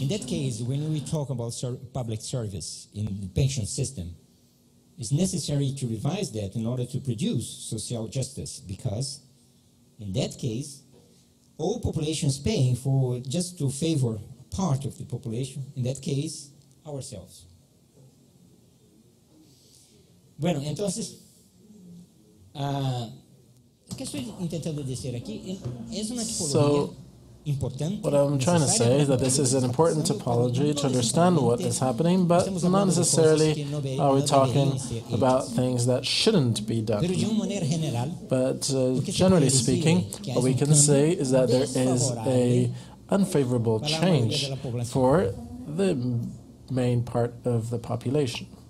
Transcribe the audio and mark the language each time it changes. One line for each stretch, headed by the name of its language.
English: In that case, when we talk about public service in the pension system, it's necessary to revise that in order to produce social justice, because in that case, all population is paying for just to favor part of the population, in that case, ourselves.
Spanish: Bueno, entonces, que estoy intentando decir aquí es una tipología importante.
English: What I'm trying to say is that this is an important topology to understand what is happening, but not necessarily are we talking about things that shouldn't be done. But generally speaking, what we can say is that there is a unfavorable change for the main part of the population.